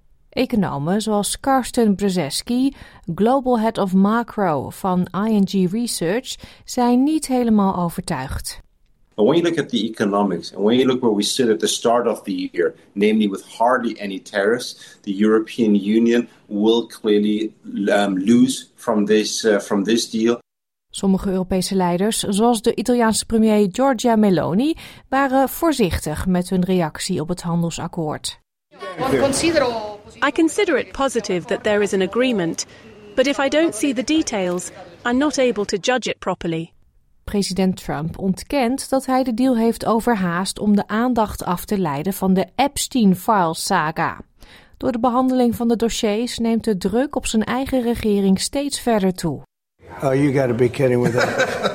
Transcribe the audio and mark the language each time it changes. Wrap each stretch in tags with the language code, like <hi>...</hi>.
<nl>Economen zoals Karsten Brzeski, Global Head of Macro van ING Research, zijn niet helemaal overtuigd.</nl> <en>When you look at the economics and when you look where we sit at the start of the year, namely with hardly any tariffs, the European Union will clearly lose from this deal.</en> <nl>Sommige Europese leiders, zoals de Italiaanse premier Giorgia Meloni, waren voorzichtig met hun reactie op het handelsakkoord.</nl> <en>I consider it positive that there is an agreement, but if I don't see the details, I'm not able to judge it properly.</en> <nl>President Trump ontkent dat hij de deal heeft overhaast om de aandacht af te leiden van de Epstein-files-saga. Door de behandeling van de dossiers neemt de druk op zijn eigen regering steeds verder toe.</nl> <en>Oh, you got to be kidding with that.</en>